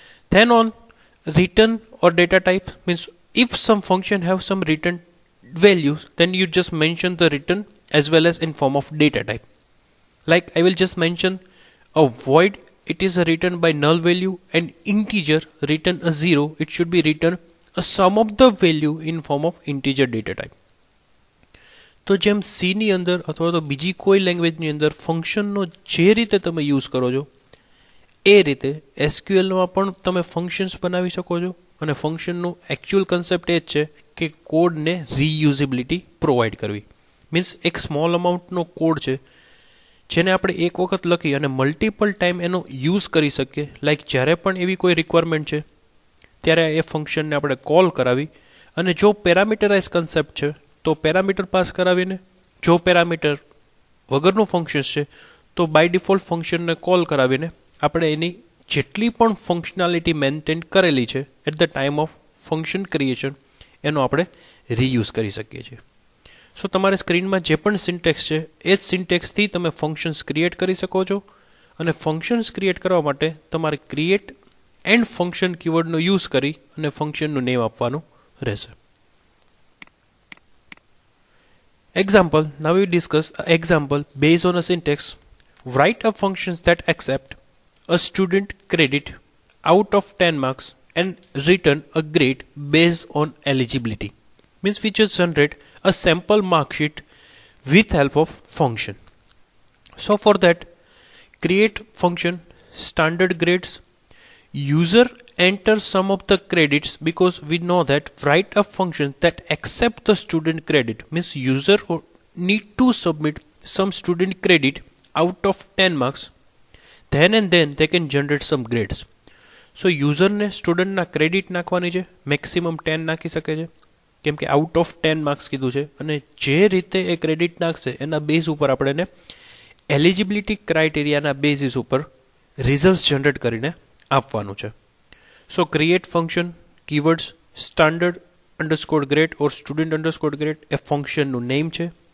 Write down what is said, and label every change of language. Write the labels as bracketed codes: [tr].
[en] Then on return or data type, means if some function have some return values, then you just mention the return as well as in form of data type. Like I will just mention a void, it is written by null value, and integer written a zero, it should be written a sum of the value in form of integer data type. [gu] તો જેમ C ની અંદર અથવા તો બીજી કોઈ લેંગ્વેજની અંદર ફંક્શનનો જે રીતે તમે યુઝ કરો છો એ રીતે એસક્યુએલમાં પણ તમે ફંક્શન્સ બનાવી શકો છો, અને ફંક્શનનો એક્ચ્યુઅલ કન્સેપ્ટ એ જ છે કે કોડને રીયુઝેબિલિટી પ્રોવાઈડ કરવી. મીન્સ એક સ્મોલ અમાઉન્ટનો કોડ છે જેને આપણે એક વખત લખી અને મલ્ટિપલ ટાઈમ એનો યુઝ કરી શકીએ, લાઈક જ્યારે પણ એવી કોઈ રિક્વાયરમેન્ટ છે ત્યારે એ ફંક્શનને આપણે કોલ કરાવી, અને જો પેરામીટરાઇઝ કન્સેપ્ટ છે તો પેરામીટર પાસ કરાવીને, જો પેરામીટર વગરનું ફંક્શન છે તો બાય ડિફોલ્ટ ફંક્શનને કોલ કરાવીને આપણે એની જેટલી પણ ફંક્શનાલિટી મેન્ટેન કરેલી છે [en] at the time of function creation [gu] એનો આપણે રીયુઝ કરી શકીએ છીએ. સો તમારી સ્ક્રીનમાં જે પણ સિન્ટેક્સ છે એ જ સિન્ટેક્સથી તમે ફંક્શન્સ ક્રિએટ કરી શકો છો, અને ફંક્શન્સ ક્રિએટ કરવા માટે તમારે ક્રિએટ એન્ડ ફંક્શન કીવર્ડનો યુઝ કરી અને ફંક્શનનું નેમ આપવાનું રહેશે. [en] Example, now we discuss an example based on a syntax. Write a function that accept a student credit out of 10 marks and return a grade based on eligibility. Means we just generate a sample mark sheet with help of function. So for that, create function standard grades. User enter some of the credits, because we know that write a function that accept the student credit means user need to submit some student credit out of 10 marks, then and then they can generate some grades. [gu] So user ne student na credit nakhvani je maximum 10 nakhi sake je, કેમ કે out of 10 marks કીધું છે અને જે રીતે એ credit નાખશે એના base ઉપર આપણે એને એલિજિબિલિટી ક્રાઇટેરિયાના બેઝિસ ઉપર રિઝલ્ટ જનરેટ કરીને આપવાનું છે. સો create function keywords standard underscore great ઓર સ્ટુડન્ટ અંડરસ્કોર ગ્રેટ એ ફંક્શનનું નેમ છે.